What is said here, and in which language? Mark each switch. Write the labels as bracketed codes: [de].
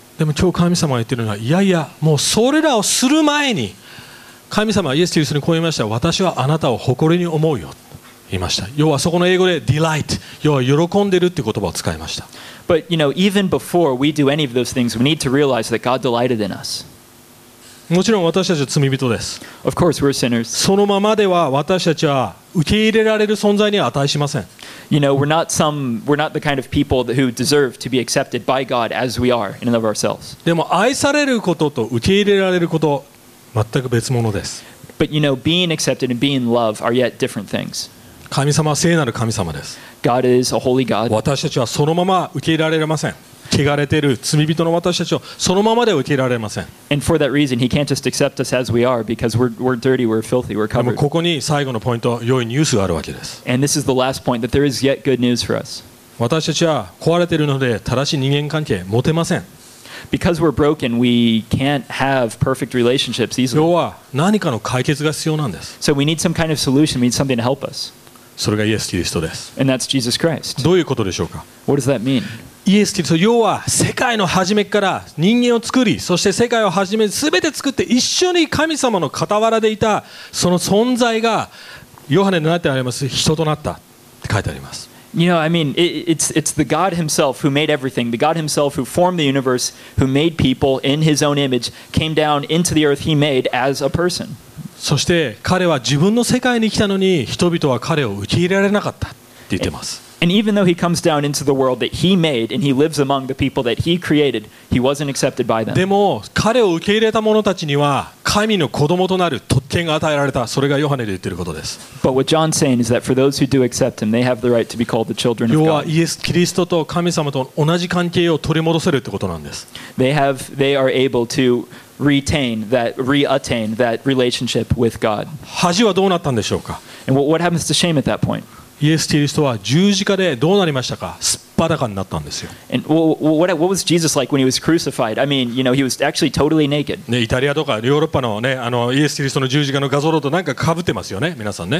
[ja] でも今日神様が言ってるのは、いやいや、もうそれらをする前に、神様はイエス・キリストにこう言いました。私はあなたを誇りに思うよ。言いました。要はそこの英語で delight、要は喜んでるって言葉を使いました。 [en] But you know, even before we do any of those things, we need to realize that God delighted in us. [ja] もちろん私たちは罪人です。 [en] Of course, we're sinners. [ja] そのままでは私たちは受け入れられる存在には値しません。 [en] You know, we're not the kind of people who deserve to be accepted by God as we are in and of ourselves. [ja] でも愛されることと受け入れられること全く別物です。 [en] But you know, being accepted and being loved are yet different things. [ja] 神様は聖なる神様です。 [en] God is a holy God. [ja] 私たちはそのまま受け入れられません。汚れている罪人の私たちをそのままで受け入れられません。 [en] And for that reason, he can't just accept us as we are because we're dirty, we're filthy, we're covered. [ja] でもここに最後のポイント、良いニュースがあるわけです。 [en] And this is the last point, that there is yet good news for us. [ja] 私たちは壊れているので正しい人間関係持てません。 [en] Because we're broken, we can't have perfect relationships easily. [ja] 要は何かの解決が必要なんです。 [en] So we need some kind of solution, we need something to help us. [ja] それがイエス・キリストです。 [en] And that's Jesus Christ. [ja] どういうことでしょうか？ [en] What does that mean? [ja] イエス・キリスト、要は世界の初めから人間を作り、そして世界を始め、すべて作って一緒に神様の傍らでいたその存在がヨハネになってあります。人となったって書いてあります。 [en] You know, I mean, it's the God himself who made everything, the God himself who formed the universe, who made people in his own image, came down into the earth he made as a person. [ja] そして彼は自分の世界に来たのに人々は彼を受け入れられなかったって言ってます。 [en] And even though he comes down into the world that he made and he lives among the people that he created, he wasn't accepted by them. [ja] でも彼を受け入れた者たちには神の子供となる特権が与えられた。それがヨハネで言ってることです。 [en] But what John's saying is that for those who do accept him, they have the right to be called the children of God. [ja] 要はイエス・キリストと神様と同じ関係を取り戻せるってことなんです。 [en] They are able toreattain that relationship with God. [ja] 恥はどうなったんでしょうか？ [en] And what happens to shame at that point? [ja] イエス・キリストは十字架でどうなりましたか？っ裸になったんですよ。 [en] And what was Jesus like when he was crucified? I mean, you know, he was actually totally naked. [ja] ね、イタリアとかヨーロッパのね、あのイエス・キリストの十字架の画像となんか被ってますよね、皆さんね。